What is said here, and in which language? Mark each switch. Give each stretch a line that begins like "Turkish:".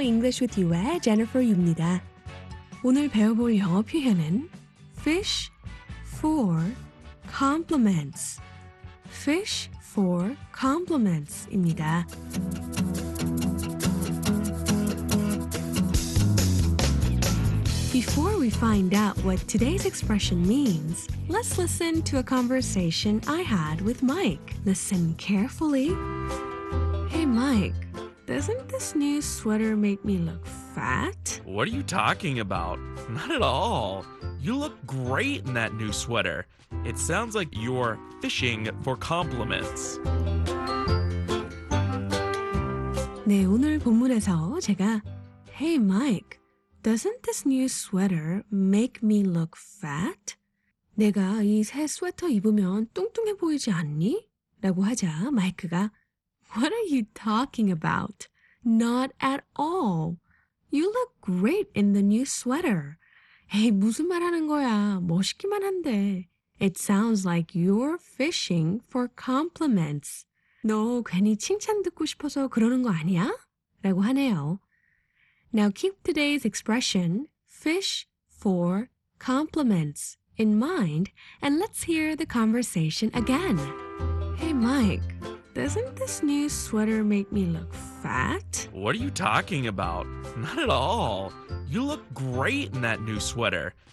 Korean: English with you의 Jennifer Yu입니다. 오늘 배워볼 영어 표현은
English: fish for compliments. fish for compliments
Korean: 입니다.
English: Before we find out what today's expression means, let's listen to a conversation I had with Mike. Listen carefully. Hey, Mike, doesn't this new sweater make me look fat? What are you talking about? Not at all. You look great in that new sweater. It sounds like you're fishing for compliments.
Korean: 네, 오늘 본문에서 제가
English: Hey, Mike, Doesn't this new sweater make me look fat?
Korean: 내가 이 새 스웨터 입으면 뚱뚱해 보이지 않니? 라고 하자 마이크가
English: What are you talking about? Not at all. You look great in the new sweater.
Korean: 에이, 무슨 말 하는 거야? 멋있기만 한데.
English: It sounds like you're fishing for compliments.
Korean: 너 괜히 칭찬 듣고 싶어서 그러는 거 아니야? 라고 하네요.
English: Now keep today's expression, fish for compliments, in mind, and let's hear the conversation again. Hey Mike, doesn't this new sweater make me look fat? What are you talking about? Not at all. You look great in that new sweater.